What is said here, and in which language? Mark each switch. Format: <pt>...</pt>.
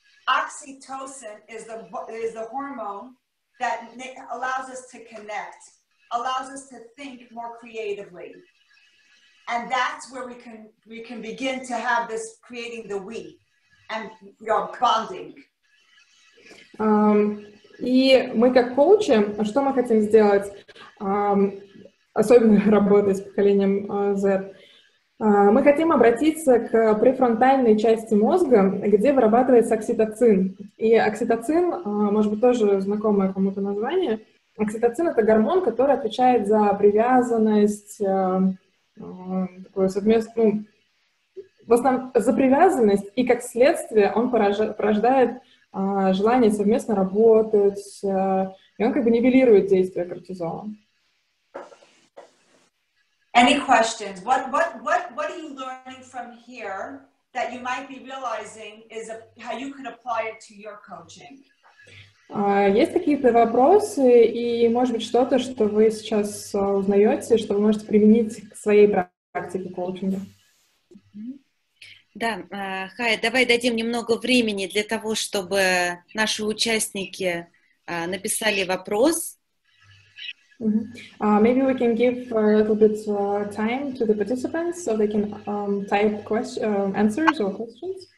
<en>Oxytocin is the hormone that allows us to connect, allows us to think more creatively. And that's where we can begin to have this creating the we and bonding.</en> <ru>И мы как коучи, что мы хотим сделать, особенно работая с поколением Z, мы хотим обратиться к префронтальной части мозга, где вырабатывается окситоцин. И окситоцин, может быть, тоже знакомое кому-то название. Окситоцин — это гормон, который отвечает за привязанность, такое совместное, ну, в основном за привязанность, и как следствие он порождает желание совместно работать, и он как бы нивелирует действие кортизола.</ru> <en>Any questions? What are you learning from here that you might be realizing is a, how you can apply it to your coaching?</en> <ru>Есть какие-то вопросы и, может быть, что-то, что вы сейчас узнаете, что вы можете применить к своей практике коучинга? Да, Хая, давай дадим немного времени для того, чтобы наши участники написали вопрос. Mm-hmm.</ru> <en>Maybe we can give a little bit time to the participants so they can type answers or questions.</en>